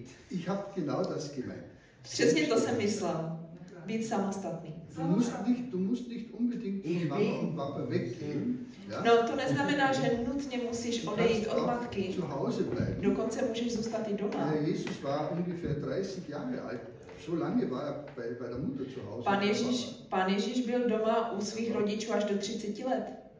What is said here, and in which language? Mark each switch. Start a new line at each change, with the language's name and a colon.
German: Ich habe genau das gemeint.
Czech: Přesně to jsem myslel. Být samostatný.
German: Du musst nicht unbedingt von Mama und Papa weggehen.
Czech: No, to neznamená, že nutně musíš odejít od matky.
German: Zu Hause bleiben.
Czech: Dokonce můžeš zůstat i doma.
German: Jesus war ungefähr 30 Jahre alt. So lange war er bei der Mutter zu Hause.
Czech: Pan Ježíš byl doma u svých rodičů až do 30 let.